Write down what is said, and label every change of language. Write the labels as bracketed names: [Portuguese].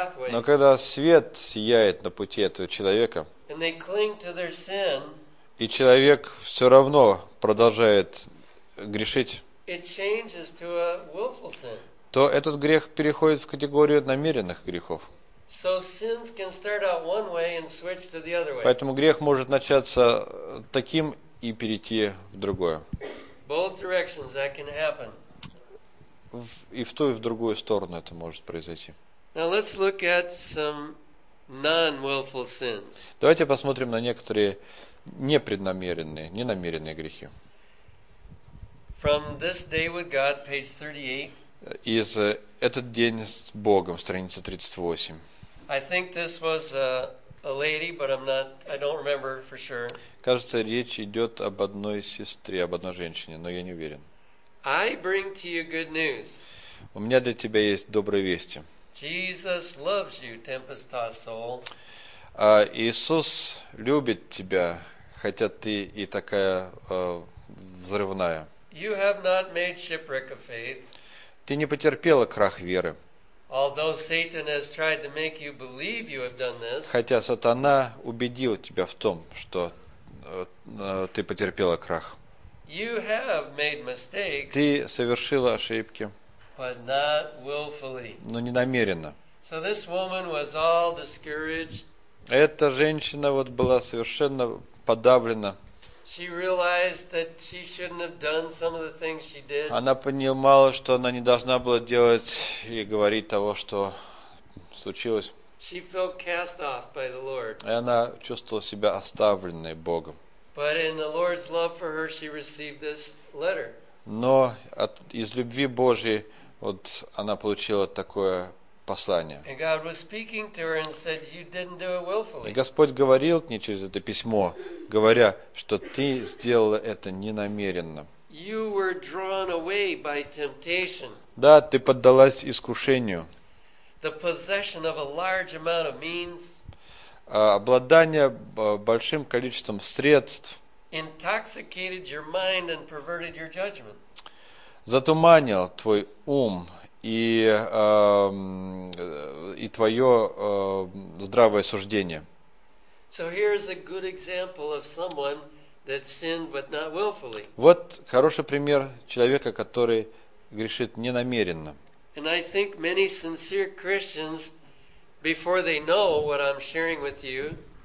[Russian] Но когда свет сияет на пути этого человека, [English] sin, [Russian] и человек все равно продолжает грешить, то этот грех переходит в категорию намеренных грехов. [English] So sins can start out one way and switch to the other way. [Russian] Поэтому грех может начаться таким и перейти в другое. [English] Both directions that can happen. [Russian] И в ту, и в другую сторону это может произойти. [English] Now let's look at some non-willful sins. [Russian] Давайте посмотрим на некоторые непреднамеренные, ненамеренные грехи. [English] From This Day with God, page 38. [Russian] Из «Этот день с Богом», страница 38. [English] I think this was a lady, but I don't remember for sure. [Russian] Кажется, речь идет об одной сестре, об одной женщине, но я не уверен. [English] I bring to you good news. [Russian] У меня для тебя есть добрые вести. [English] Jesus loves you, tempest-tossed soul. [Russian] Иисус любит тебя, хотя ты и такая взрывная. [English] You have not made shipwreck of faith. [Russian] Ты не потерпела крах веры. [English] Although Satan has tried to make you believe you have done this, [Russian] хотя сатана убедил тебя в том, что ты потерпела крах. [English] You have made mistakes. [Russian] Ты совершила ошибки. [English] But not willfully. [Russian] Но не намеренно. [English] So this woman was all discouraged. [Russian] Эта женщина вот была совершенно подавлена. [English] She realized that she shouldn't have done some of the things she did. [Russian] Она понимала, что она не должна была делать и говорить того, что случилось. [English] She felt cast off by the Lord. [Russian] И она чувствовала себя оставленной Богом. [English] But in the Lord's love for her, she received this letter. [Russian] Но из любви Божьей вот она получила такое послание. [English] And God was speaking to her and said, "You didn't do it willfully." [Russian] И Господь говорил к ней через это письмо, говоря, что ты сделала это ненамеренно. [English] You were drawn away by temptation. [Russian] Да, ты поддалась искушению. [English] The possession of a large amount of means. [Russian] Обладание большим количеством средств. [English] Intoxicated your mind and perverted your judgment. [Russian] Затуманил твой ум и твое здравое суждение. [English] So here's a good example of someone that sinned but not willfully. [Russian] Вот хороший пример человека, который грешит ненамеренно. [English] And I think many sincere Christians, before they know what I'm sharing with you,